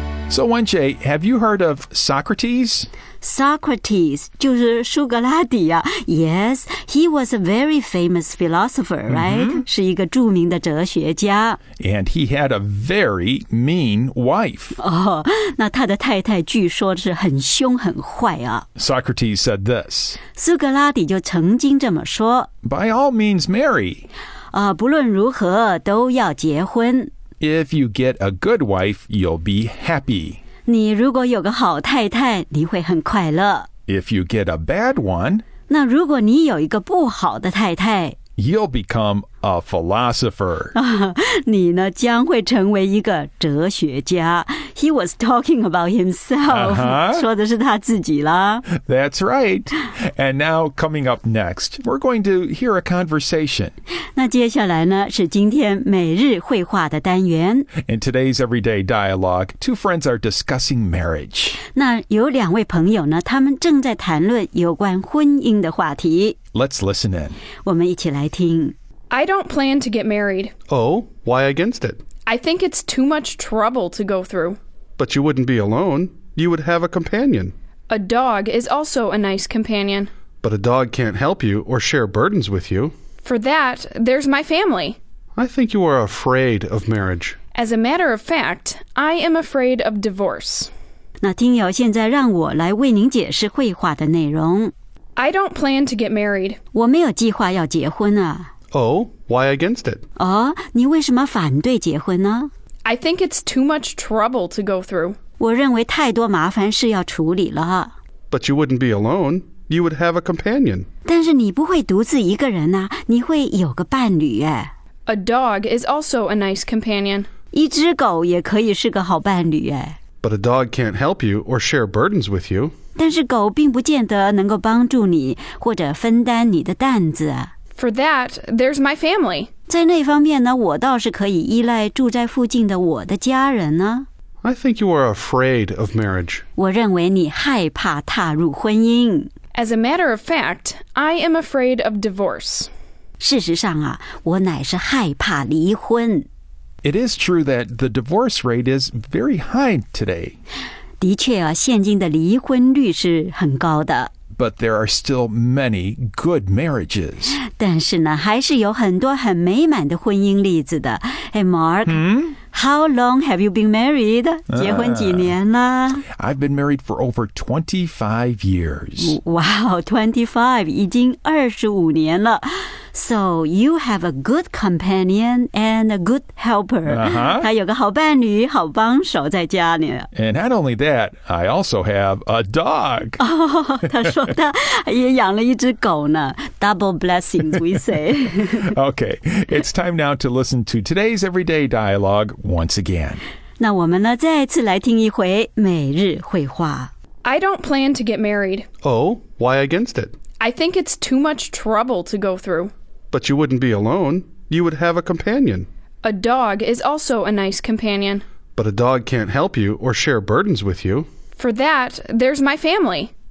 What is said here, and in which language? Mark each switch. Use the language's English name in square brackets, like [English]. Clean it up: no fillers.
[English] So, Wenjie, have you heard of Socrates? [Chinese] Socrates, 就是苏格拉底啊。 [English] Yes, he was a very famous philosopher, right? [Chinese] 是一个著名的哲学家。 [English] And he had a very mean wife. [Chinese] 哦、oh, ，那他的太太据说是很凶很坏啊。 [English] Socrates said this. [Chinese] 苏格拉底就曾经这么说。 [English] By all means, marry. [Chinese] 啊、不论如何都要结婚。 [English] If you get a good wife, you'll be happy. [Chinese] 你如果有个好太太，你会很快乐。 [English] If you get a bad one, [Chinese] 那如果你有一个不好的太太， [English] you'll become a philosopher. [Chinese] 你呢，将会成为一个哲学家。 [English] He was talking about himself. [Chinese] 说的是他自己啦。 [English] That's right. And now, coming up next, we're going to hear a conversation. [Chinese] 那接下来呢，是今天每日绘画的单元。 [English] In today's everyday dialogue, two friends are discussing marriage. [Chinese] 那有两位朋友呢，他们正在谈论有关婚姻的话题。 [English] Let's listen in. [Chinese] 我们一起来听。 [English] I don't plan to get married. Oh, why against it? I think it's too much trouble to go through. But you wouldn't be alone. You would have a companion. A dog is also a nice companion. But a dog can't help you or share burdens with you. For that, there's my family. I think you are afraid of marriage. As a matter of fact, I am afraid of divorce. [Chinese] 那听友，现在让我来为您解释绘画的内容。 [English] I don't plan to get married. [Chinese] 我没有计划要结婚啊。 [English] Oh, why against it? [Chinese] 哦，你为什么反对结婚呢？ [English] I think it's too much trouble to go through. [Chinese] 我认为太多麻烦事要处理了。 [English] But you wouldn't be alone. You would have a companion. [Chinese] 但是你不会独自一个人啊，你会有个伴侣耶。 [English] A dog is also a nice companion. [Chinese] 一只狗也可以是个好伴侣耶。 [English] But a dog can't help you or share burdens with you. [Chinese] 但是狗并不见得能够帮助你或者分担你的担子啊。 [English] For that, there's my family. [Chinese] 在那方面呢，我倒是可以依赖住在附近的我的家人呢。 [English] I think you are afraid of marriage. [Chinese] 我认为你害怕踏入婚姻。 [English] As a matter of fact, I am afraid of divorce. [Chinese] 事实上啊，我乃是害怕离婚。 [English] It is true that the divorce rate is very high today. [Chinese] 的确啊，现今的离婚率是很高的。 [English] But there are still many good marriages. [Chinese] 但是呢，还是有很多很美满的婚姻例子的。 [English] Hey, Mark, how long have you been married? [Chinese] 结婚几年了？ [English] I've been married for over 25 years. [Chinese] Wow, 25, 已经25年了。 [English] So you have a good companion and a good helper. [Chinese] 还有个好伴侣、好帮手在家里。 [English] And not only that, I also have a dog. [Chinese] 他说他也养了一只狗呢。 [English] Double blessings, we say. Okay, it's time now to listen to today's everyday dialogue once again. [Chinese] 那我们呢，再次来听一回每日绘画。 [English] I don't plan to get married. Oh, why against it? I think it's too much trouble to go through. But you wouldn't be alone. You would have a companion. A dog is also a nice companion. But a dog can't help you or share burdens with you. For that, there's my family.